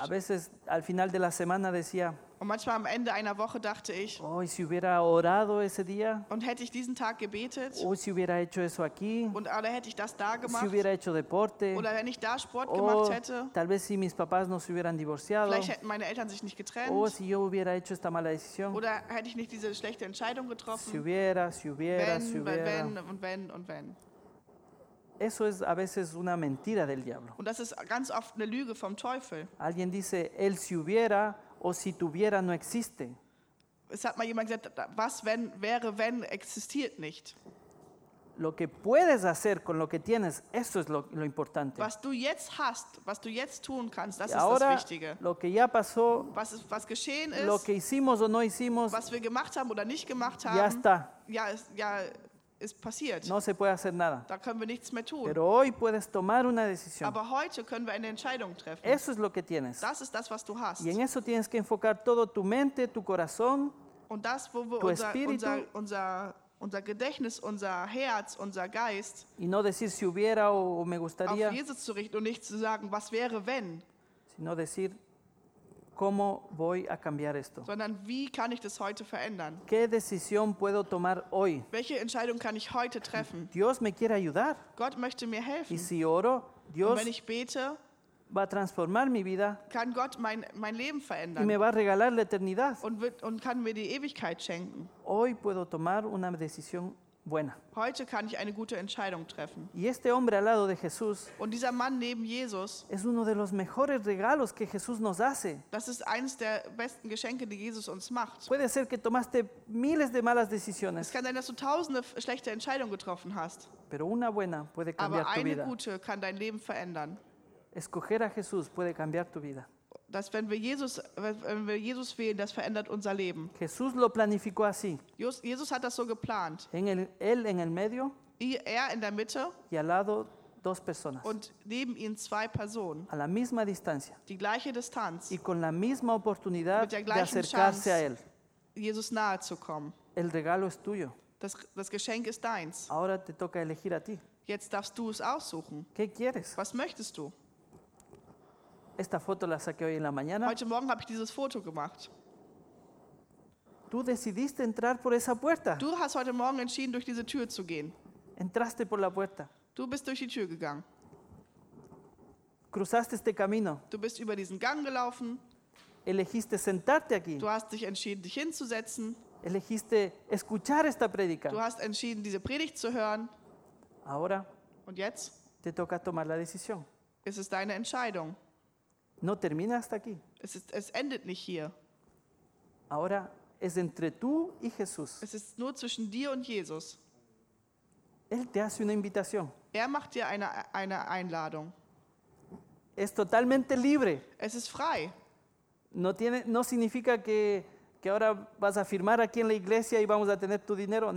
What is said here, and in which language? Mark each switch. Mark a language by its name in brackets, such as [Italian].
[Spanish] A veces, al final de la semana decía, [German] und manchmal am Ende einer Woche dachte ich, [Spanish] oh, si hubiera orado ese día. [German] Und hätte ich diesen Tag gebetet. [Spanish] Oh, si hubiera hecho eso aquí. [German] Und, oder hätte ich das da gemacht. [Spanish] Si hubiera hecho deporte. [German] Oder wenn ich da Sport oh, gemacht hätte. [Spanish] Tal vez si mis papás no se hubieran divorciado. [German] Vielleicht hätten meine Eltern sich nicht getrennt. [Spanish] Oh, si yo hubiera hecho esta mala decisión. [German] Oder hätte ich nicht diese schlechte Entscheidung getroffen. [Spanish] Si hubiera, si hubiera, [German] wenn, [Spanish] si hubiera. [German] Wenn. [Spanish] Eso es a veces una mentira del diablo. [German] Und das ist ganz oft eine Lüge vom Teufel. [Spanish] Alguien dice, él si hubiera o si tuviera no existe. [German] Es hat mal jemand gesagt, was wenn wäre wenn existiert nicht. [Spanish] Lo que puedes hacer con lo que tienes, eso es lo importante. [German] Was du jetzt hast, was du jetzt tun kannst, das [Spanish] y ahora, [German] ist das Wichtige. [Spanish] Lo que ya pasó, [German] was geschehen ist, [Spanish] lo que hicimos o no hicimos, [German] was wir gemacht haben oder nicht gemacht haben, [Spanish] ya está. [German] Ja, ist passiert. [Spanish] No se puede hacer nada. [German] Da können wir nichts mehr tun. [Spanish] Pero hoy puedes tomar una decisión. [German] Aber heute können wir eine Entscheidung treffen. [Spanish] Eso es lo que tienes. [German] Das ist das, was du hast. [Spanish] Y en eso tienes que enfocar todo tu mente, tu corazón, [German] und das, wo wir unser Gedächtnis, unser Herz, unser Geist, [Spanish] y no decir, si hubiera, o me gustaría, [German] auf Jesus zu richten und nicht zu sagen, was wäre, wenn, [Spanish] sino decir, ¿cómo voy a cambiar esto? [German] Sondern wie kann ich das heute verändern? [Spanish] ¿Qué decisión puedo tomar hoy? [German] Welche Entscheidung kann ich heute treffen? [Spanish] Dios me quiere ayudar. [German] Gott möchte mir helfen. [Spanish] Y si oro, Dios, [German] und wenn ich bete, [Spanish] va a transformar mi vida, [German] kann Gott mein Leben verändern. [Spanish] Y me va a regalar la eternidad. [German] Und kann mir die Ewigkeit schenken. [Spanish] Hoy puedo tomar una decisión buena. [German] Heute kann ich eine gute Entscheidung treffen. [Spanish] Y este hombre al lado de Jesús, [German] und dieser Mann neben Jesus, [Spanish] es uno de los mejores regalos que Jesús nos hace. [German] Das ist eines der besten Geschenke, die Jesus uns macht. [Spanish] Puede ser que tomaste miles de malas decisiones. [German] Es kann sein, dass du tausende schlechte Entscheidungen getroffen hast. [Spanish] Pero una buena puede cambiar [German] aber eine [Spanish] tu vida. [German] Gute kann dein Leben verändern. [Spanish] Escoger a Jesús puede cambiar tu vida. [German] Dass wenn wir Jesus wählen, das verändert unser Leben. [Spanish] Jesús lo planificó así. [German] Jesus hat das so geplant. [Spanish] Él en el medio. [German] Er in der Mitte. [Spanish] Y al lado dos personas. [German] Und neben ihnen zwei Personen. [Spanish] A la misma distancia. [German] Die gleiche Distanz. [Spanish] Y con la misma oportunidad de acercarse [German] Chance, [Spanish] a él. [German] Jesus nahe zu kommen. [Spanish] El regalo es tuyo. [German] Das Geschenk ist deins. [Spanish] Ahora te toca elegir a ti. [German] Jetzt darfst du es aussuchen. [Spanish] ¿Qué quieres? [German] Was möchtest du? [Spanish] Esta foto la saqué hoy en la mañana. [German] Heute Morgen habe ich dieses Foto gemacht. [Spanish] Tú decidiste entrar por esa puerta. [German] Du hast heute Morgen entschieden, durch diese Tür zu gehen. [Spanish] Entraste por la puerta. [German] Du bist durch die Tür gegangen. [Spanish] Cruzaste este camino. [German] Du bist über diesen Gang gelaufen. [Spanish] Elegiste sentarte aquí. [German] Du hast dich entschieden, dich hinzusetzen. [Spanish] Elegiste escuchar esta predica. [German] Du hast entschieden, diese Predigt zu hören. [Spanish] Ahora. [German] Und jetzt? [Spanish] Te toca tomar la decisión. [German] Es ist deine Entscheidung. [Spanish] No termina hasta aquí. [German] Es endet nicht hier. [Spanish] Ahora es entre tú y Jesús. [German] Es ist nur zwischen dir und Jesus. [Spanish] Él te hace una invitación. [German] Er macht dir eine Einladung. [Spanish] Es totalmente libre. [German] Es ist frei. [Spanish] No significa que ahora vas a firmar aquí en la iglesia y vamos a tener tu dinero.